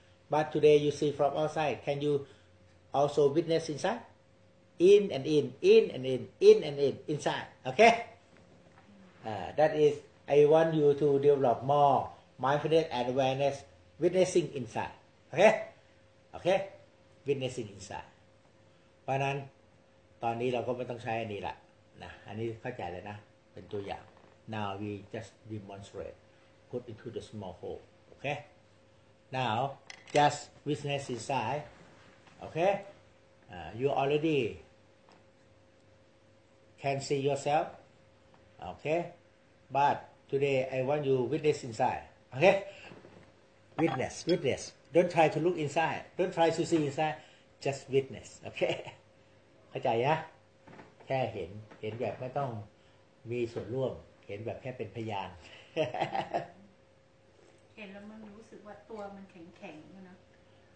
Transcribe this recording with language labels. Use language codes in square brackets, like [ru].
[en] But today you see from outside. Can you also witness inside? In and in. Inside. Okay? That is, I want you to develop more mindfulness and awareness witnessing inside. Okay? Witnessing inside. [th] เพราะนั้นตอนนี้เราก็ไม่ต้องใช้อันนี้ละนะอันนี้เข้าใจเลยนะเป็นตัวอย่าง [en] Now we just demonstrate. Put into the small hole. Okay? Now,Just witness inside, okay? You already can see yourself, okay? But today I want you witness inside, okay? Witness. Don't try to look inside. Don't try to see inside. Just witness, okay? [th] เข้าใจยะแค่เห็นแบบไม่ต้องมีส่วนร่วมเห็นแบบแค่เป็นพยาน เห็นแล้วมันรู้สึกว่าตัวมันแข็งๆ